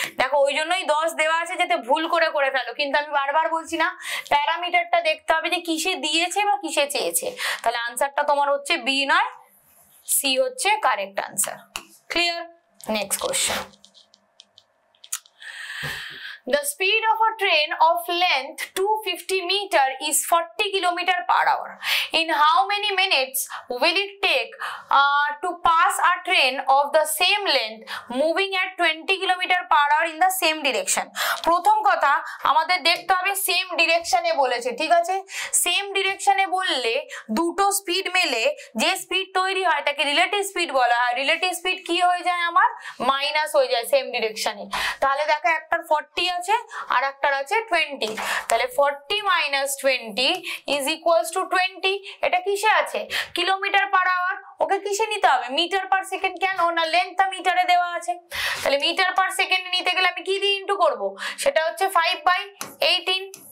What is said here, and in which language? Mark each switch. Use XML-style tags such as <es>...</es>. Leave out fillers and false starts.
<bn>দেখো ওই জন্যই 10 দেওয়া আছে যাতে ভুল করে করে ফেলো, কিন্তু আমি বারবার বলছি না প্যারামিটারটা দেখতে হবে যে কিসে দিয়েছে বা কিসে চেয়েছে, তাহলে আনসারটা তোমার হচ্ছে বি নয় সি হচ্ছে correct answer. Clear?</bn> <en>Next question, the speed of a train of length 250 metre is 40 kilometre per hour, in how many minutes will it take to pass bus or train of the same length moving at 20 km per hour in the same direction.</en> <bn>প্রথম কথা আমাদের দেখতে হবে same ডিরেকশনে বলেছে ঠিক আছে same ডিরেকশনে বললে দুটো স্পিড মেলে যে স্পিড তৈরি হয় তাকে রিলেটিভ স্পিড বলা হয় রিলেটিভ স্পিড কি হয়ে যায় আমার মাইনাস হয়ে যায় সেম ডিরেকশনে তাহলে দেখো একটার 40 আছে আর একটার আছে 20 তাহলে 40 মাইনাস 20 ইজ ইকুয়ালস টু 20 এটা কিসে আছে কিলোমিটার পার আওয়ার ওকে কিসে নিতে হবে মিটার পার সেকেন্ড কেন না লেন্থ তো মিটারে দেওয়া আছে তাহলে মিটার পার সেকেন্ডে নিতে গেলে আমি কি দিয়ে ইনটু করব সেটা হচ্ছে 5/18</bn>